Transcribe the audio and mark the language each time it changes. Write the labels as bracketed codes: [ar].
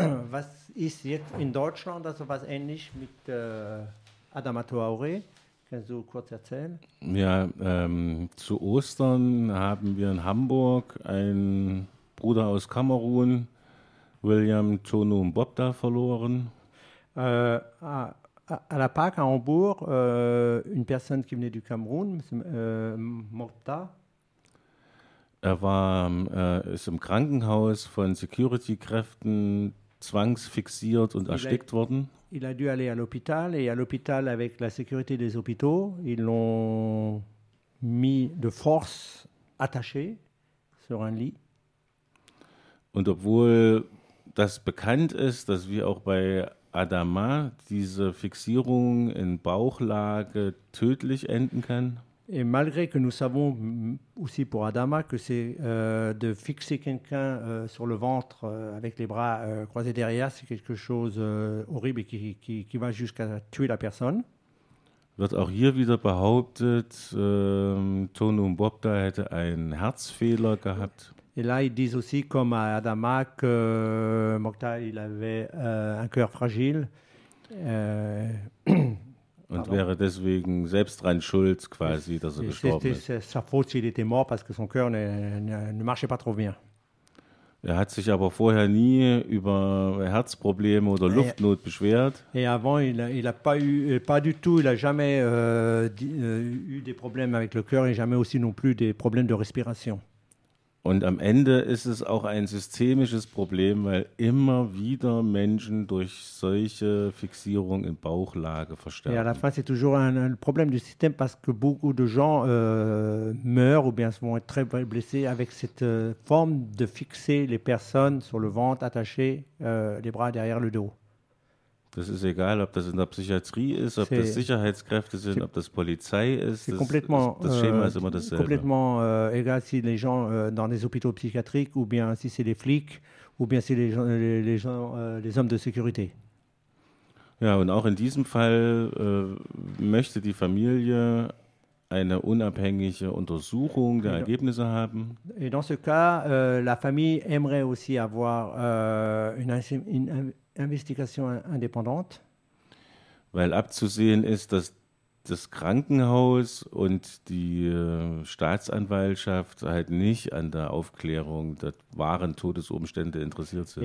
[de] Was ist jetzt in Deutschland, also was ähnlich mit Adama Traoré? Kannst du kurz erzählen? Ja, zu Ostern haben wir in Hamburg einen Bruder aus Kamerun, William Tonu Mbobda, verloren. [fr] À la Pâque, à Hambourg, une personne qui venait du Cameroun, Mbobda. [de] Er war im Krankenhaus von Security-Kräften zwangsfixiert und erstickt worden. [fr] Il a dû aller à l'hôpital et à l'hôpital, avec la sécurité des hôpitaux, ils l'ont mis de force attaché sur un lit. [de] Und obwohl das bekannt ist, dass wir auch bei Adama diese Fixierung in Bauchlage tödlich enden kann. [fr] Et malgré que nous savons aussi pour Adama que c'est de fixer quelqu'un sur le ventre avec les bras croisés derrière, c'est quelque chose horrible et qui va jusqu'à tuer la personne. [de] Wird auch hier wieder behauptet, Tonu Mbobda hätte einen Herzfehler gehabt. [fr] Et là, ils disent aussi, comme à Adama, que Mokta, il avait un cœur fragile. [de] Und wäre deswegen selbst dran schuld, quasi, dass er gestorben ist. [fr] Sa faute, s'il était mort, parce que son cœur ne marchait pas trop bien. [de] Er hat sich aber vorher nie über Herzprobleme oder Luftnot beschwert. [fr] Et avant, il n'a jamais eu des problèmes avec le cœur et jamais aussi non plus des problèmes de respiration. [de] Und am Ende ist es auch ein systemisches Problem, weil immer wieder Menschen durch solche Fixierung in Bauchlage versterben. [fr] Et à la fin, c'est toujours un problème du système parce que beaucoup de gens meurent ou bien vont être très blessés avec cette forme de fixer les personnes sur le ventre, attachées les bras derrière le dos. [de] Das ist egal, ob das in der Psychiatrie ist, ob das Sicherheitskräfte sind, ob das Polizei ist. Das Schema ist immer dasselbe. [fr] Complètement egal, si les gens dans les hôpitaux psychiatriques, ou bien si c'est les flics, ou bien si les hommes de sécurité. [de] Ja, und auch in diesem Fall möchte die Familie eine unabhängige Untersuchung der Ergebnisse haben. [fr] Et dans ce cas, la famille aimerait aussi avoir une investigation indépendante. [de] Weil abzusehen ist, dass das Krankenhaus und die Staatsanwaltschaft halt nicht an der Aufklärung der wahren Todesumstände interessiert sind.